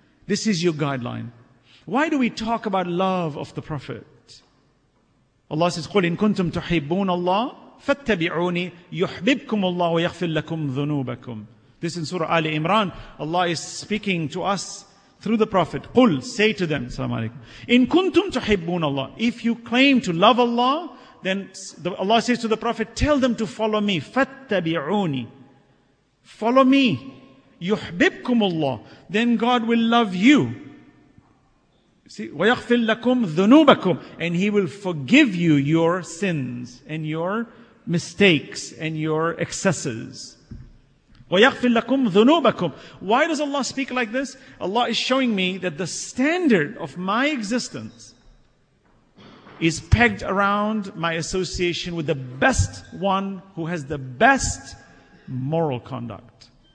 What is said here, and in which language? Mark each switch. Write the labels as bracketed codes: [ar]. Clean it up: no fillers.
[en] This is your guideline. Why do we talk about love of the Prophet? Allah says, [ar] قُلْ إِن كُنْتُمْ تُحِبُّونَ اللَّهِ فَاتَّبِعُونِي يُحْبِبْكُمُ اللَّهُ وَيَغْفِرْ لَكُمْ ذُنُوبَكُمْ. [en] This in Surah Ali Imran, Allah is speaking to us through the Prophet. Qul, say to them, Assalamu alaikum. In kuntum tuhibbun Allah. If you claim to love Allah, then Allah says to the Prophet, tell them to follow me. Fattabi'uni. Follow me. Yuhbibkum Allah. Then God will love you. See, [ar] وَيَغْفِرْ لَكُمْ ذُنُوبَكُمْ. [en] And He will forgive you your sins and your mistakes and your excesses. [ar] وَيَغْفِرْ لَكُمْ ذُنُوبَكُمْ. [en] Why does Allah speak like this? Allah is showing me that the standard of my existence is pegged around my association with the best one who has the best moral conduct.